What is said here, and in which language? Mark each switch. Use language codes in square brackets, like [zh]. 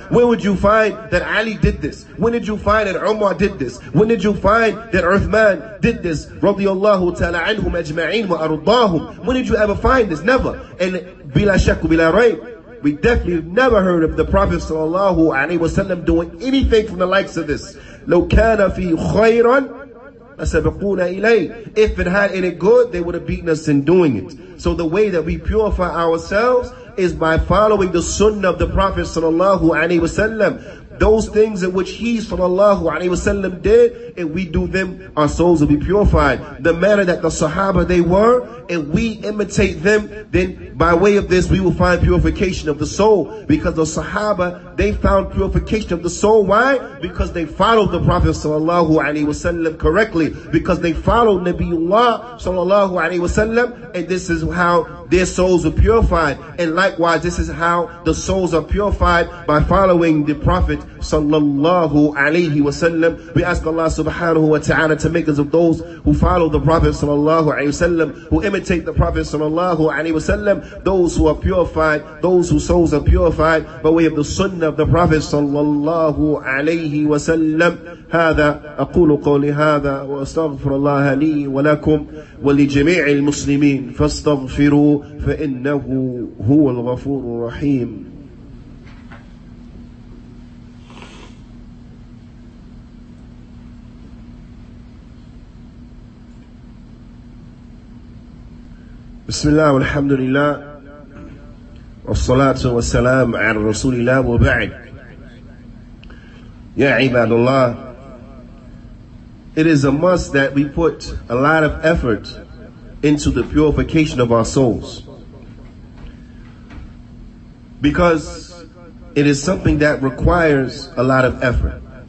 [en] When would you find that Ali did this? When did you find that Umar did this? When did you find that Uthman did this radiyallahu ta'ala anhum ajma'in wa arudahum? When did you ever find this? Never. And [ar] bila shakku bila raib, [en] we definitely never heard of the Prophet sallallahu alaihi wasallam doing anything from the likes of this. [ar] لو كان في خيرا لسبقونا إليه. [en] If it had any good, they would have beaten us in doing it. So the way that we purify ourselves is by following the Sunnah of the Prophet sallallahu alaihi wasallam. Those things in which he sallallahu alaihi wasallam did, if we do them, our souls will be purified. The manner that the Sahaba they were, and we imitate them, then by way of this, we will find purification of the soul. Because the Sahaba, they found purification of the soul. Why? Because they followed the Prophet sallallahu alaihi wasallam correctly. Because they followed Nabiullah sallallahu alaihi wasallam. And this is how their souls were purified. And likewise, this is how the souls are purified, by following the Prophet sallallahu alayhi wasallam. We ask Allah subhanahu wa ta'ala to make us of those who follow the Prophet sallallahu alayhi wasallam, who imitate the Prophet sallallahu alayhi wasallam, those who are purified, those whose souls are purified by way of the sunnah of the Prophet sallallahu alayhi wasallam. [ar] هذا أقول قولي هذا وأستغفر الله لي ولكم ولجميع المسلمين فاستغفروا فإنه هو الغفور الرحيم. بسم الله والحمد لله والصلاة والسلام على رسول الله وبعد يا عباد الله. It is a must that we put a lot of effort into the purification of our souls, because it is something that requires a lot of effort.